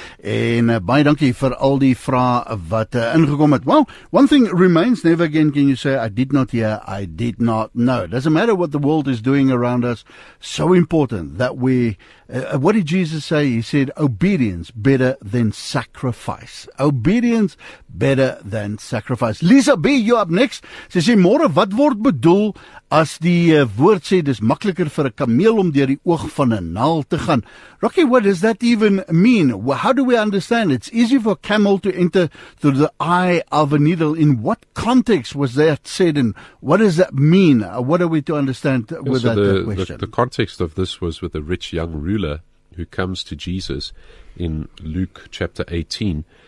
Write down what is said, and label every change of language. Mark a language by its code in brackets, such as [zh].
[af] En baie dankie vir al die vrae wat ingekom het. [en] Well, one thing remains, never again can you say, I did not hear, I did not know. Doesn't matter what the world is doing around us, so important that we, what did Jesus say? He said, obedience better than sacrifice. Obedience better than sacrifice. Lisa B, you up next. [af] Sy sê, môre, wat word bedoel as die woord sê, dis makkeliker vir 'n kameel om deur die oog van 'n naal te gaan. [en] Rocky, what does that even mean? How do we understand? It's easier for a camel to enter through the eye of a needle. In what context was that said? And what does that mean? What are we to understand with that question? The context of this was with a rich young ruler who comes to Jesus in Luke chapter 18.